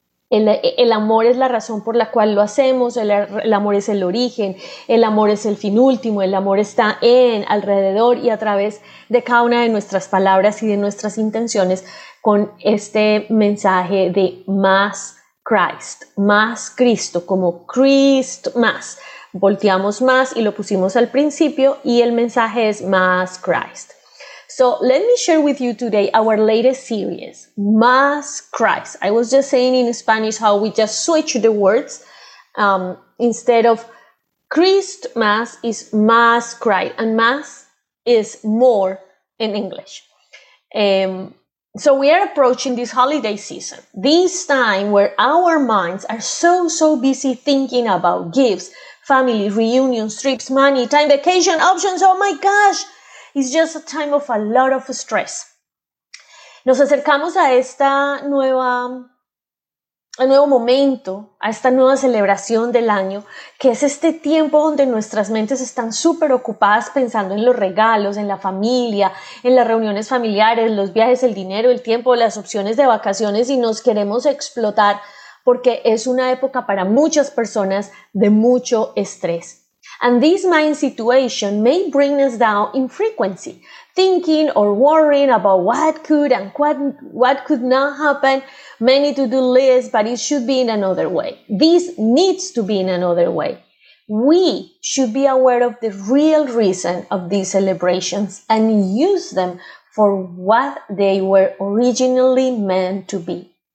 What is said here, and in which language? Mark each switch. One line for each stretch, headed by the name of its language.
Spanish: El amor es la razón por la cual lo hacemos, el amor es el origen, el amor es el fin último, el amor está en, alrededor y a través de cada una de nuestras palabras y de nuestras intenciones con este mensaje de más Christ, más Cristo, como Christ más. Volteamos más y lo pusimos al principio y el mensaje es más Christ.
English: So let me share with you today our latest series, Más Christ. I was just saying in Spanish how we just switch the words. Instead of Christ Mass is Más Christ, and Mass is more in English. So we are approaching this holiday season, this time where our minds are so busy thinking about gifts, family, reunions, trips, money, time, vacation, options, oh my gosh! It's just a time of a lot of stress.
Spanish: Nos acercamos a esta nuevo momento, a esta nueva celebración del año, que es este tiempo donde nuestras mentes están súper ocupadas pensando en los regalos, en la familia, en las reuniones familiares, los viajes, el dinero, el tiempo, las opciones de vacaciones, y nos queremos explotar porque es una época para muchas personas de mucho estrés.
English: And this mind situation may bring us down in frequency, thinking or worrying about what could and what could not happen, many to-do lists, but it should be in another way. This needs to be in another way. We should be aware of the real reason of these celebrations and use them for what they were originally meant to be.